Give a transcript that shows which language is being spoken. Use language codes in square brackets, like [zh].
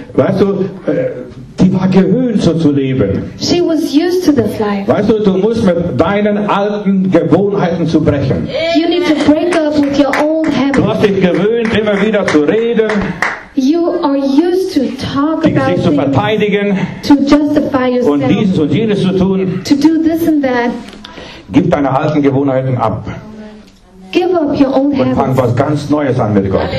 [de] Weißt du, die war gewöhnt so zu leben. [en] She was used to this life. [de] Weißt du, du musst mit deinen alten Gewohnheiten zu brechen. [en] You need to break up with your old habits. [de] Du hast dich gewöhnt, immer wieder zu reden. [en] You are used to talk [de] dich [en] about [de] sich zu verteidigen. [en] To justify yourself. [de] Und dieses und jenes zu tun. [en] To do this and that. [de] Gib deine alten Gewohnheiten ab. [en] Give up your old habits. [de] Und fang was ganz Neues an mit Gott.